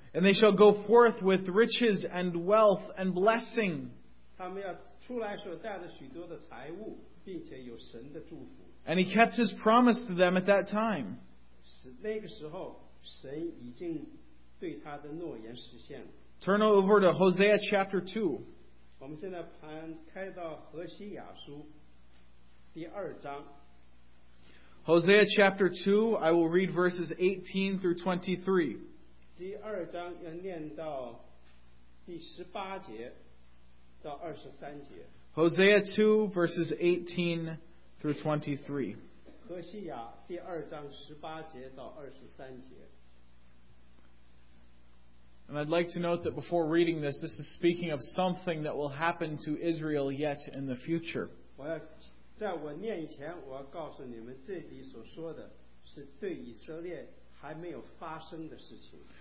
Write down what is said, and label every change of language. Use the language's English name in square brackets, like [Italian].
[English] And they shall go forth with riches and wealth and blessing. [Chinese] 他们要出来时候带着许多的财物，并且有神的祝福。 [English] And he kept his promise to them at that time. [Chinese] 那个时候神已经对他的诺言实现了。 [English] Turn over to Hosea chapter 2. [Chinese] 我们现在开到何西亚书第二章。 [English] Hosea chapter 2, I will read verses 18 through 23. [Chinese] 第二章要念到第十八节到二十三节。 [English] Hosea 2, verses 18 through 23. [Chinese] 何西亚第二章十八节到二十三节。 [English] And I'd like to note that before reading this, this is speaking of something that will happen to Israel yet in the future. [Chinese] 我要在我念以前，我要告诉你们，这里所说的是对以色列还没有发生的事情。